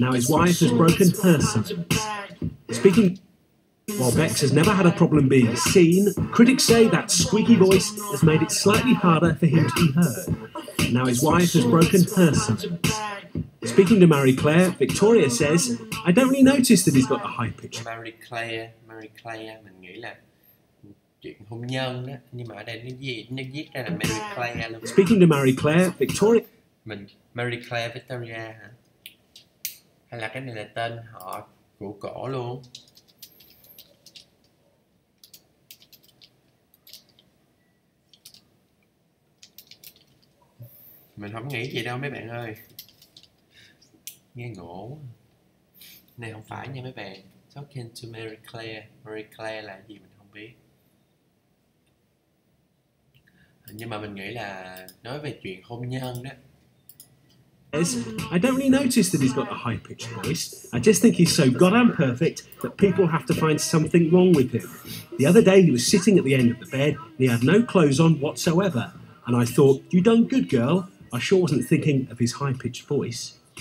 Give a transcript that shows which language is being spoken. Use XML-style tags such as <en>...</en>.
<en>Now his wife has broken her silence. Speaking... While Bex has never had a problem being seen, critics say that squeaky voice has made it slightly harder for him to be heard. Now his wife has broken her silence. Speaking to Mary Claire, Victoria says, I don't really notice that he's got a high pitch.</en> <vi>Mary Claire, mình nghĩ là chuyện hôn nhân đó. Nhưng mà ở đây nó viết ra là Mary Claire luôn. Speaking to Mary Claire, Victoria... Mary Claire, Victoria hả? Hay là cái này là tên họ của cổ luôn? Mình không nghĩ gì đâu mấy bạn ơi. Nghe ngủ. Này không phải nha mấy bạn.</vi> <en>Talking to</en> <vi>Mary Claire. Mary Claire là gì mình không biết. Nhưng mà mình nghĩ là nói về chuyện hôn nhân đó.</vi> <en>I don't really notice that he's got a high pitched voice. I just think he's so goddamn perfect that people have to find something wrong with him. The other day he was sitting at the end of the bed and he had no clothes on whatsoever. And I thought, you done good girl. I sure wasn't thinking of his high-pitched voice.</en>